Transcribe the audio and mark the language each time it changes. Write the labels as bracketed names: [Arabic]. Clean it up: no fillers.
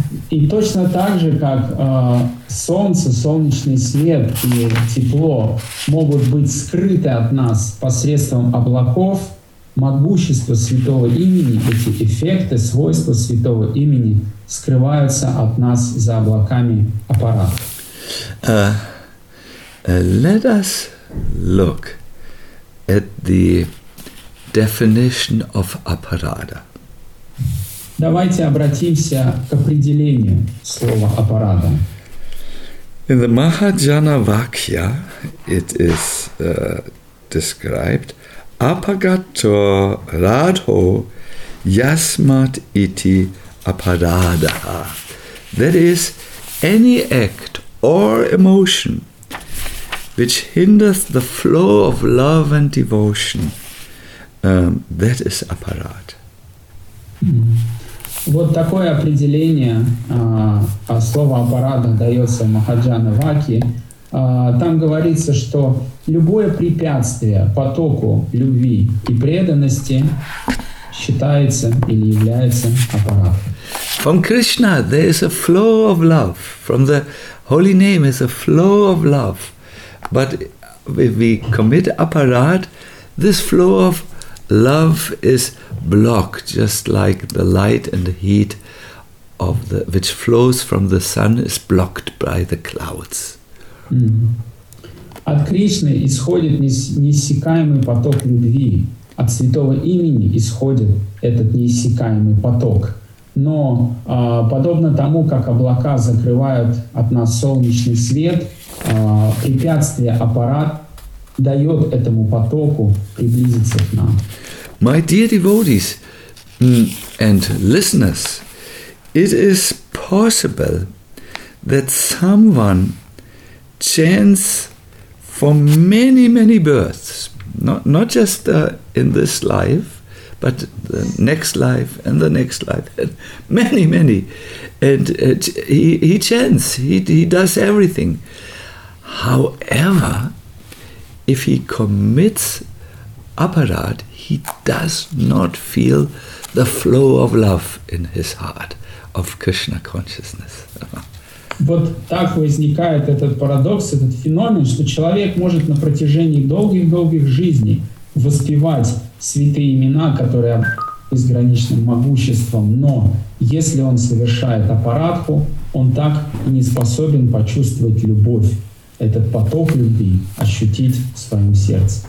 [Russian] И точно так же, как солнце, солнечный свет и тепло могут быть скрыты от нас посредством облаков, могущество святого имени, эти эффекты, свойства святого имени скрываются от нас за облаками аппарата. [English] Let us look at the definition of aparada. [Russian] Давайте обратимся к определению слова аппарата. [English] In the Mahajana Vakya it is described [Sanskrit] apagato radho yasmat iti aparada. [English] That is, any act or emotion which hinders the flow of love and devotion, that is aparad. [Russian] Вот такое определение слова аппарада дается в Махаджана Ваки. Там говорится, что любое препятствие потоку любви и преданности считается или является аппарат. [English] From Krishna there is a flow of love. From the holy name is a flow of love. But if we commit aparad, this flow of love is blocked, just like the light and the heat of the which flows from the sun is blocked by the clouds. [Russian] От Кришны исходит неиссякаемый поток любви. От святого имени исходит этот неиссякаемый поток. Но подобно тому, как облака закрывают от нас солнечный свет, препятствие аппарат дает этому потоку приблизиться к нам. [English] My dear devotees and listeners, it is possible that someone chants for many, many births, not just in this life, but the next life and the next life, and many, many. And he chants, he does everything. However, if he commits aparad, he does not feel the flow of love in his heart, of Krishna consciousness. [Russian] Вот так возникает этот парадокс, этот феномен, что человек может на протяжении долгих-долгих жизней воспевать святые имена, которые безграничным могуществом, но если он совершает апарадху, он так и не способен почувствовать любовь, этот поток любви ощутить в своем сердце.